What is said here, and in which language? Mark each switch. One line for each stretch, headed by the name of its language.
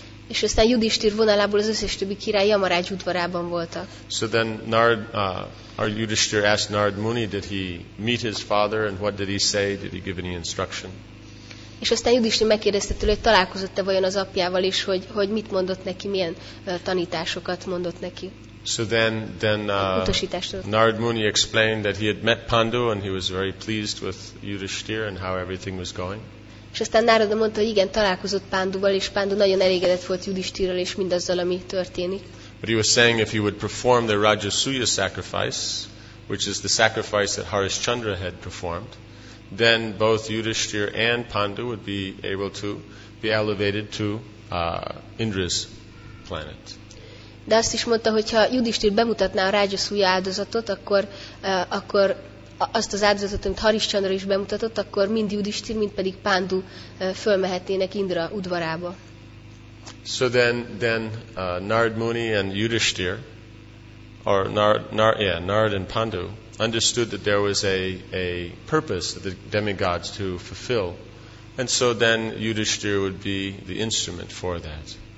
Hungarian: És aztán Yudhishthir vonalából az összes többi király Yamaraj udvarában voltak.
English: So then Yudhishthir asked Narad Muni, did he meet his father and what did he say? Did he give any instruction?
Hungarian: És aztán Yudhishthir megkérdezte tőle, hogy találkozott-e vajon az apjával is, hogy mit mondott neki, milyen tanításokat mondott neki.
English: So then Narad Muni explained that he had met Pandu and he was very pleased with Yudhishthir and how everything was going.
Hungarian: És aztán Narada mondta, hogy igen, találkozott Pánduval, és Pándu nagyon elégedett volt Yudhishthirrel és mindazzal, ami történik.
English: But he was saying if he would perform the Rajasuya sacrifice, which is the sacrifice that Harishchandra had performed, then both Yudhishthira and Pandu would be able to be elevated to Indra's planet.
Hungarian: De azt is mondta, hogyha Yudhishthira bemutatná a rágyaszúja áldozatot, akkor akkor azt az áldozatot, amit Harischandra is bemutatott, akkor mind Yudhishthira, mind pedig Pandu fölmehetnének Indra udvarába.
English: So then Narad Muni and Yudhishthira, or Narad and Pandu, understood that there was a purpose for the demigods to fulfill, and so then Yudhishthira would be the instrument for that.